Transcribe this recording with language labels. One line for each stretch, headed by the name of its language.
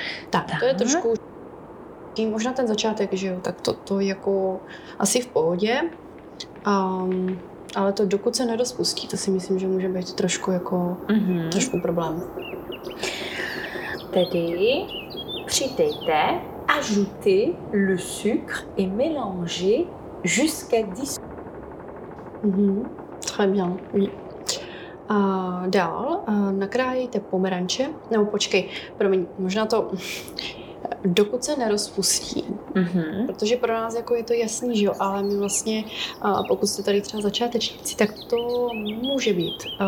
Czech: Tak, to je trošku, možná ten začátek, že jo, tak to je jako asi v pohodě, ale to dokud se nerozpustí, to si myslím, že může být trošku jako, trošku problém. Tedy přidejte
French: ajoutez le sucre et mélangez jusqu'à 10. Mm-hmm. Très bien, oui.
Czech: A dál, nakrájejte pomeranče, nebo počkej, promiň, možná to, dokud se nerozpustí, protože pro nás jako je to jasný, že jo, ale my vlastně, pokud jste tady třeba začátečníci, tak to může být.